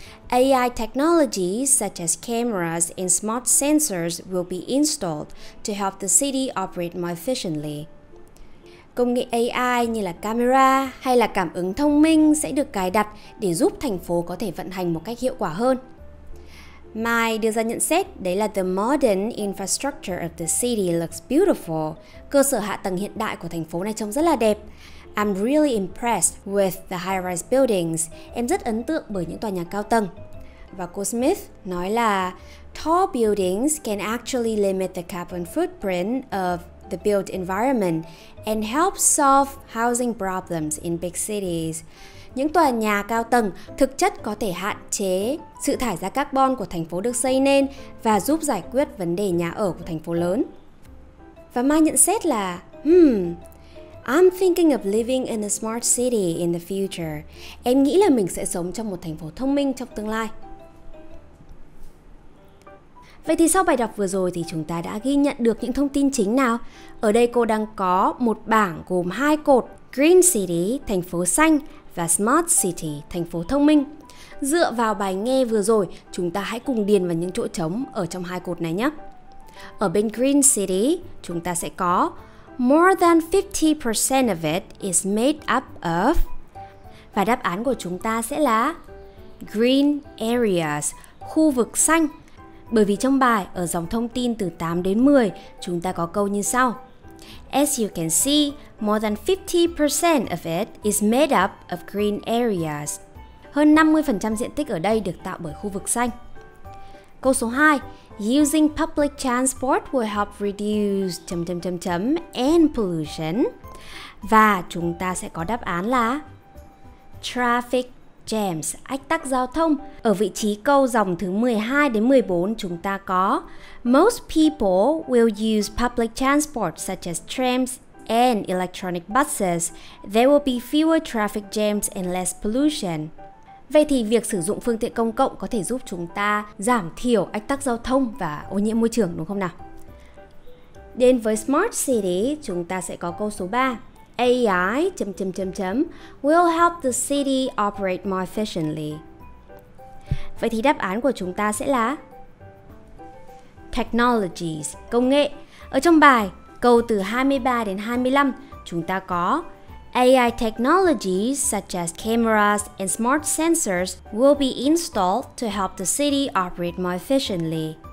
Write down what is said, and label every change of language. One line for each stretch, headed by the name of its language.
English: AI technology such as cameras and smart sensors will be installed to help the city operate more efficiently.
Vietnamese: Công nghệ AI như là camera hay là cảm ứng thông minh sẽ được cài đặt để giúp thành phố có thể vận hành một cách hiệu quả hơn. Mai đưa ra nhận xét, đấy là
English: the modern infrastructure of the city looks beautiful.
Vietnamese: Cơ sở hạ tầng hiện đại của thành phố này trông rất là đẹp.
English: I'm really impressed with the high-rise buildings.
Vietnamese: Em rất ấn tượng bởi những tòa nhà cao tầng. Và cô Smith nói là
English: tall buildings can actually limit the carbon footprint of the built environment and help solve housing problems in big cities.
Vietnamese: Những tòa nhà cao tầng thực chất có thể hạn chế sự thải ra carbon của thành phố được xây nên và giúp giải quyết vấn đề nhà ở của thành phố lớn. Và Mai nhận xét là
English: I'm thinking of living in a smart city in the future.
Vietnamese: Em nghĩ là mình sẽ sống trong một thành phố thông minh trong tương lai. Vậy thì sau bài đọc vừa rồi thì chúng ta đã ghi nhận được những thông tin chính nào? Ở đây cô đang có một bảng gồm hai cột Green City, thành phố xanh và Smart City, thành phố thông minh. Dựa vào bài nghe vừa rồi, chúng ta hãy cùng điền vào những chỗ trống ở trong hai cột này nhé. Ở bên Green City, chúng ta sẽ có
English: More than 50% of it is made up of.
Vietnamese: Và đáp án của chúng ta sẽ là
English: Green Areas,
Vietnamese: khu vực xanh. Bởi vì trong bài, ở dòng thông tin từ 8 đến 10, chúng ta có câu như sau.
English: As you can see, more than 50% of it is made up of green areas.
Vietnamese: Hơn 50% diện tích ở đây được tạo bởi khu vực xanh. Câu số 2.
English: Using public transport will help reduce and pollution.
Vietnamese: Và chúng ta sẽ có đáp án là
English: traffic jams,
Vietnamese: ách tắc giao thông. Ở vị trí câu dòng thứ 12 đến 14 chúng ta có
English: most people will use public transport such as trams and electronic buses. There will be fewer traffic jams and less pollution.
Vietnamese: Vậy thì việc sử dụng phương tiện công cộng có thể giúp chúng ta giảm thiểu ách tắc giao thông và ô nhiễm môi trường đúng không nào? Đến với Smart City, chúng ta sẽ có câu số 3.
English: AI will help the city operate more efficiently.
Vietnamese: Vậy thì đáp án của chúng ta sẽ là Technologies, công nghệ. Ở trong bài, câu từ 23 đến 25, chúng ta có
English: AI technologies such as cameras and smart sensors will be installed to help the city operate more efficiently.